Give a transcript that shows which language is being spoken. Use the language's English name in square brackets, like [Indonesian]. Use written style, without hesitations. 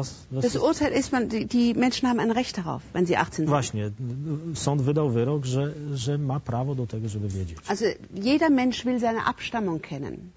[German] Das Urteil ist, die Menschen haben ein Recht darauf, wenn sie 18 sind. [Polish] Właśnie, sąd wydał wyrok, że ma prawo do tego, żeby wiedzieć. [German] Also jeder Mensch will seine Abstammung kennen.